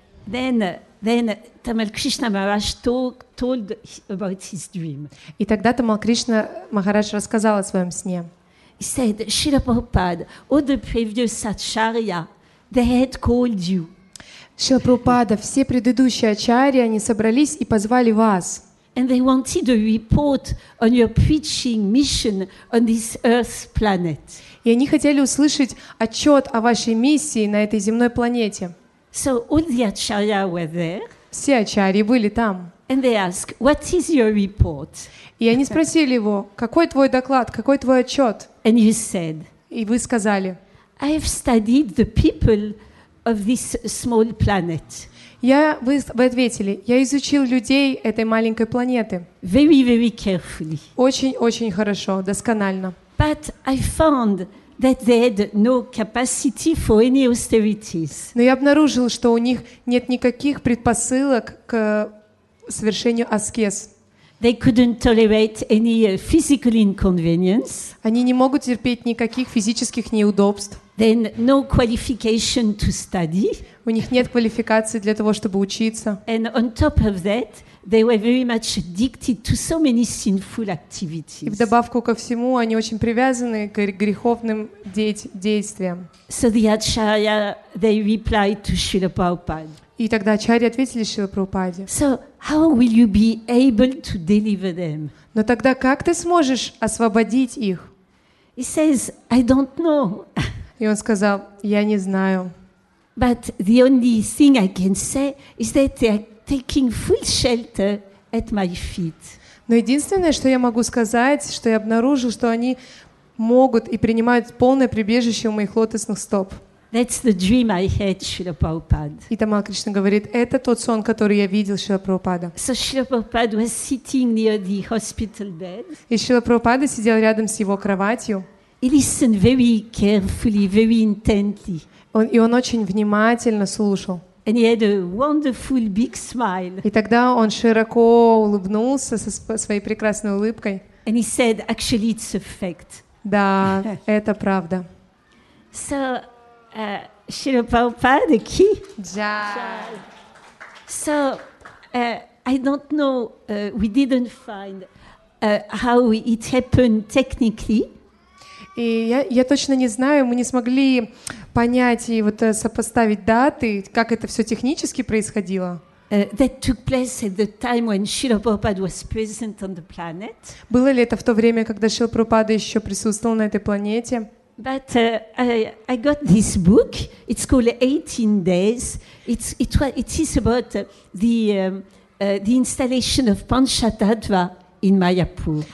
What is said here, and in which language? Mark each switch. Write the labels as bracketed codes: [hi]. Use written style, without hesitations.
[en] So then Tamal Krishna Maharaj told about his dream. [ru] И тогда Тамал Кришна Махарадж рассказал о своем сне. [en] He said, Srila Prabhupada, all the previous acharya, they had called you. [ru] Srila Prabhupada, все предыдущие ачарьи, они собрались и позвали вас. [en] And they wanted a report on your preaching mission on this earth planet. [ru] И они хотели услышать отчет о вашей миссии на этой земной планете. [en] So all the acharya were there. [ru] Все ачарьи были там. [en] And they ask, what is your report? [ru] И они спросили его, какой твой доклад, какой твой отчет? [en] And you said, [ru] и вы сказали, [en] I have studied the people of this small planet. [ru] Вы ответили, я изучил людей этой маленькой планеты. [en] Very, very carefully. [ru] Очень-очень хорошо, досконально. [en] But I found that they had no capacity for any austerities. [ru] Но я обнаружил, что у них нет никаких предпосылок к совершению аскез. [en] They couldn't tolerate any physical inconvenience. [ru] Они не могут терпеть никаких физических неудобств. [en] Then no qualification to study. [ru] У них нет квалификации для того, чтобы учиться. [en] And on top of that, they were very much addicted to so many sinful activities. [ru] И вдобавку ко всему, они очень привязаны к греховным действиям. [en] So the Acharya, they replied to Srila Prabhupada. [ru] И тогда Ачарьи ответили Шрила Прабхупаде. [en] So how will you be able to deliver them? [ru] Но тогда как ты сможешь освободить их? [en] He says, I don't know. [ru] И он сказал, я не знаю. [en] But the only thing I can say is that they are taking full shelter at my feet. [ru] Но единственное, что я могу сказать, что я обнаружил, что они могут и принимают полное прибежище у моих лотосных стоп. [en] That's the dream I had, Srila Prabhupada. [ru] И Тамал Кришна говорит, это тот сон, который я видел Шрила Прабхупада. [en] So Srila Prabhupada was sitting near the hospital bed. [ru] И Шрила Прабхупада сидел рядом с его кроватью. [en] He listened very carefully, very intently. [ru] Он очень внимательно слушал. [en] And he had a wonderful big smile. [ru] И тогда он широко улыбнулся со своей прекрасной улыбкой. [en] And he said, actually, it's a fact. [ru] Да, это правда. [en] So, Srila Prabhupada ki? [hi] Jai. [en] So, I don't know, we didn't find how it happened technically. [ru] И я точно не знаю, мы не смогли понять и вот сопоставить даты, как это все технически происходило. [en] That took place at the time when Srila Prabhupada was present on the planet. [ru] Было ли это в то время, когда Шрила Прабхупада еще присутствовал на этой планете? [en] But I got this book. It's called 18 Days. It is about the installation of Panchatattva. In Mayapur.